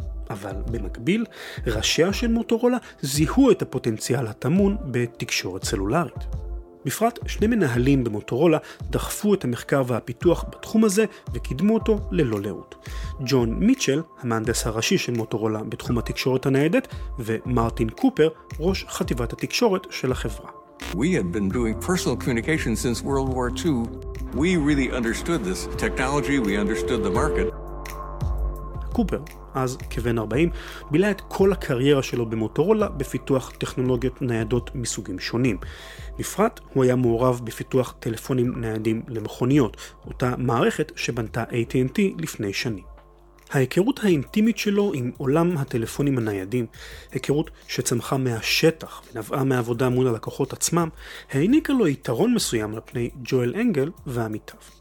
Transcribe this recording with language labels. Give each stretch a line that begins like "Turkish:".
Hebrew: אבל במקביל, ראשיה של מוטורולה זיהו את הפוטנציאל הטמון בתקשורת סלולרית. בפרט שני מנהלים במוטורולה דחפו את המחקר והפיתוח בתחום הזה וקידמו אותו ללא לאות. ג'ון מיטשל, המהנדס הראשי של מוטורולה בתחום התקשורת הניידת, ומרטין קופר, ראש חטיבת התקשורת של החברה.
English: We had been doing personal communication since World War II. We really understood this technology, we understood the market.
Hebrew: קופר, אז כבן 40, בילה את כל הקריירה שלו במוטורולה בפיתוח טכנולוגיות ניידות מסוגים שונים. בפרט הוא היה מעורב בפיתוח טלפונים ניידים למכוניות, אותה מערכת שבנתה AT&T לפני שנים. ההיכרות האינטימית שלו עם עולם הטלפונים הניידים, היכרות שצמחה מהשטח ונבעה מעבודה מול הלקוחות עצמם, העניקה לו יתרון מסוים לפני ג'ואל אנגל ועמיתיו.